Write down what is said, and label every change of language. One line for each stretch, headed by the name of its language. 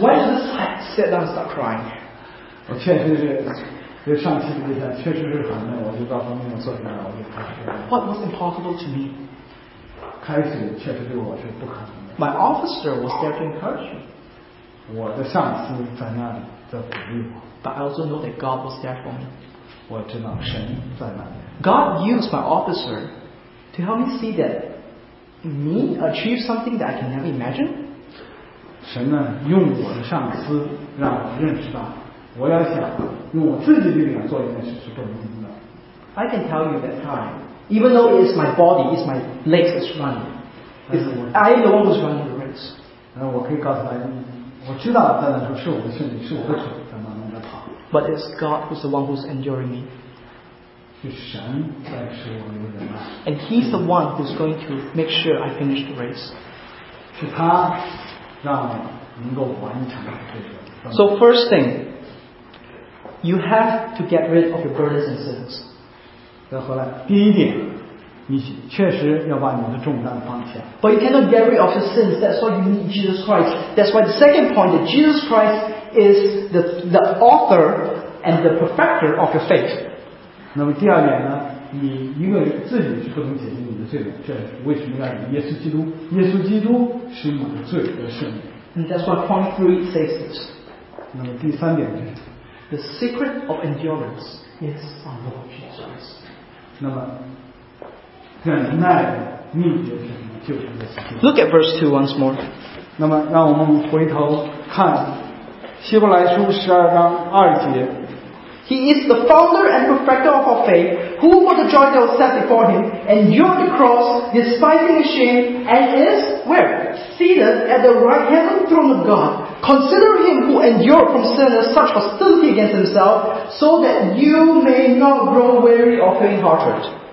English: Why did I sit down and start crying?
Chinese: 我确实是，就上气不接下，确实是喊的，我就到旁边坐下来，我就开始。
English: What was impossible to me?
Chinese: 开始确实对我是不可能的。
English: My officer was there to encourage me.
Chinese: 我的上司在那里。
English: But I also know that God was there for me.
Chinese: 我知道神在那里。
English: God used my officer to help me see that me achieve something that I can never imagine.
Chinese: 神呢，用我的上司让我认识到，我要想用我自己力量做一件事是不可能的。
English: I can tell you that time, even though it's my body, it's my legs that's running, I am the one who's running the race.
Chinese: 我可以告诉他，我知道在那时候是我的圣灵，是我的主在慢慢的跑。
English: But it's God who's the one who's enduring me.
Chinese: 是神在使我有忍耐。
English: And He's the one who's going to make sure I finish the race.
Chinese: 是他让我能够完成这个。
English: So first thing, you have to get rid of your burdens and sins.
Chinese: 再回来，第一点。你确实要把你的重担放下。
English: But you cannot get rid of your sins. That's why you need Jesus Christ. That's why the second point, that Jesus Christ is the author and the perfecter of your faith.
Chinese: 那么第二点呢？你因为自己是不能解决你的罪的，这为什么要有耶稣基督？耶稣基督是你的罪的赦免。
English: And that's why point three says this.
Chinese: 那么第三点就是
English: the secret of endurance is our Lord Jesus Christ.
Chinese: 那么忍耐的秘诀是什么？就是耶稣基督。
English: Look at verse 2 once more.
Chinese: 那么让我们回头看希伯来书十二章二节。
English: He is the founder and perfecter of our faith, who for the joy that was set before him endured the cross, despising shame, and is where? Seated at the right hand of the throne of God. Consider him who endured from sinners such hostility against himself, so that you may not grow weary or faint hearted.